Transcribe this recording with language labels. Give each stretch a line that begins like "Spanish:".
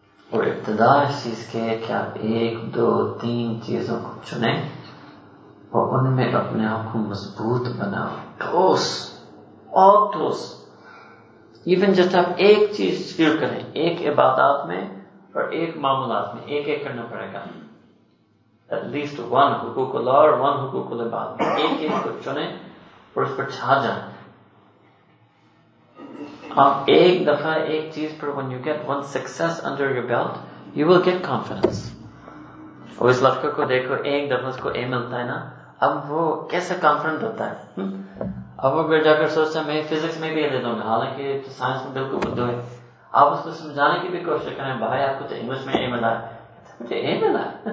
Urdu: اور ابتدا اس چیز کے کہ آپ ایک دو تین چیزوں کو چنیں اور ان میں اپنے آپ کو مضبوط بناؤ, ٹھوس اور ٹھوس. ایون جب آپ ایک چیز فیل کریں, ایک عبادات میں اور ایک معاملات میں, ایک ایک کرنا پڑے گا,
English: at least one
Urdu: حقوق اللہ اور ون حقوق العباد, ایک ایک کو چنیں اور اس پر چھا جائیں. آپ ایک دفعہ ایک چیز پر,
English: when you get one success under your belt, you will get confidence.
Urdu: اور اس لڑکے کو دیکھو, ایک دفعہ اس کو اے ملتا ہے نا, اب وہ کیسے کانفیڈنٹ ہوتا ہے. اب وہ جا کر سوچتا ہے میں فزکس میں بھی اے لے دوں گا, حالانکہ سائنس میں بالکل بدھو ہے. آپ اس کو سمجھانے کی بھی کوشش کریں, بھائی آپ کو تو انگلش میں اے ملا ہے, مجھے اے ملا.